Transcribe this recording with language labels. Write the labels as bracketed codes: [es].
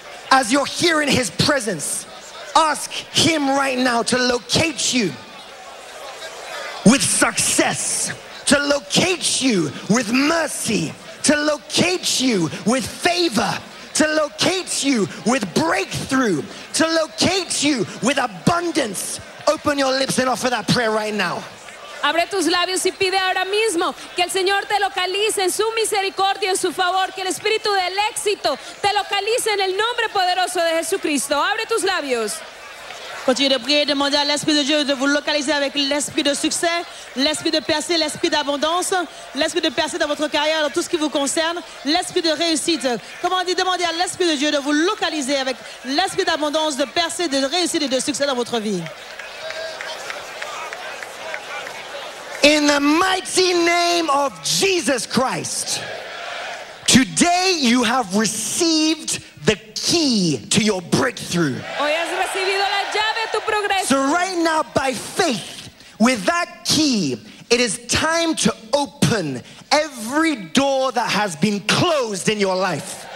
[en] as you're here in his presence, ask him right now to locate you with success, to locate you with mercy, to locate you with favor, to locate you with breakthrough, to locate you with abundance. Open your lips and offer that prayer right now. [es] Abre tus labios y pide ahora mismo que el Señor te localice en su misericordia, en su favor, que el espíritu del éxito te localice en el nombre poderoso de Jesucristo. Abre tus labios. [fr] Continue de prier, demander à l'Esprit de Dieu de vous localiser avec l'Esprit de succès, l'Esprit de percée, l'Esprit d'abondance, l'Esprit de percée dans votre carrière, dans tout ce qui vous concerne, l'Esprit de réussite. Comment on dit, demander à l'Esprit de Dieu de vous localiser avec l'Esprit d'abondance, de percée, de réussite et de succès dans votre vie. [en] In the mighty name of Jesus Christ, today you have received the key to your breakthrough. [es] Hoy has recibido la llave a tu progreso. [en] So right now, by faith, with that key, it is time to open every door that has been closed in your life.